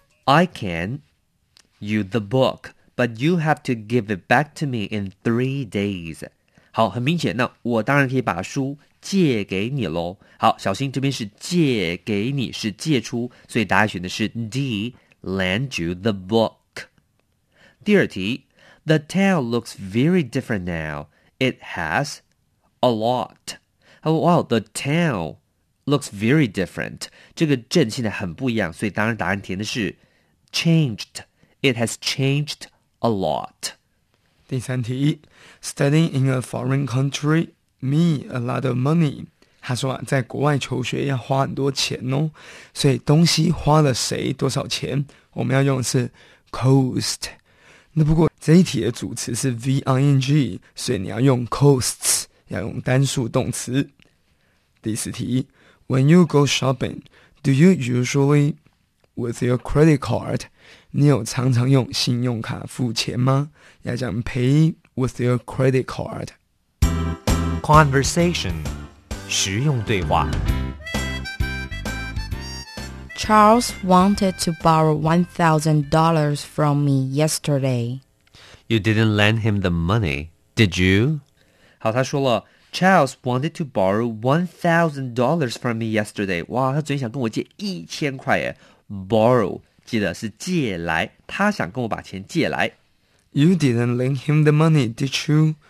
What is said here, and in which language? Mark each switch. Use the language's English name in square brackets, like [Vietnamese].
[English] I can use the book, but you have to give it back to me in 3 days. [Chinese] 好，很明显，那我当然可以把书借给你咯。好，小心，这边是借给你，是借出，所以答案选的是 D, [English] lend you the book. [Chinese] 第二题， [English] The town looks very different now. It has a lot. Oh, wow, the town looks very different. [Chinese] 这个镇现在很不一样，所以当然答案填的是 changed. [English] It has changed a lot. [Chinese] 第三题， [English] Studying in a foreign country means a lot of money. [Chinese] 他说，在国外求学要花很多钱哦，所以东西花了谁多少钱，我们要用的是 cost. 那不过这一题的主词是 V-I-N-G, 所以你要用 costs. 要用单数动词。第四题， [English] When you go shopping, do you usually with your credit card? [Chinese] 你有常常用信用卡付钱吗？要讲 [English] pay with your credit card. [Chinese] Conversation, 实用对话。 [English] Charles wanted to borrow $1,000 from me yesterday. You didn't lend him the money, did you? [Chinese] 好，他说了 [English] Charles wanted to borrow $1,000 from me yesterday. [Chinese] 哇，他昨天想跟我借1000块耶。 Borrow, 记得是借来，他想跟我把钱借来。 [English] You didn't lend him the money, did you?